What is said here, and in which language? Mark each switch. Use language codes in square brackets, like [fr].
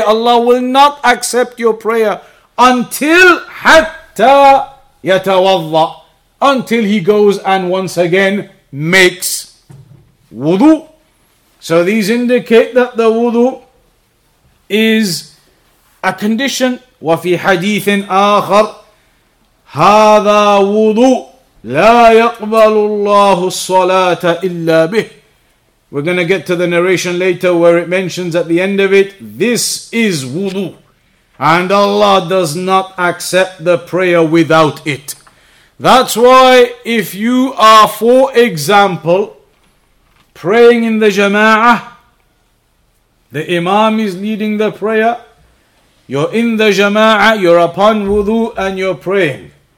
[en] Allah will not accept your prayer until [ar] hatta yatawadda, [en] until he goes and once again makes wudu. So these indicate that the wudu is a condition. [ar] وفي حديث آخر هذا وضوء لا يقبل الله الصلاة إلا به. [en] We're going to get to the narration later where it mentions at the end of it, this is wudu, and Allah does not accept the prayer without it. That's why if you are, for example, praying in the jama'ah, the imam is leading the prayer, you're in the jama'ah, you're upon wudu and you're praying.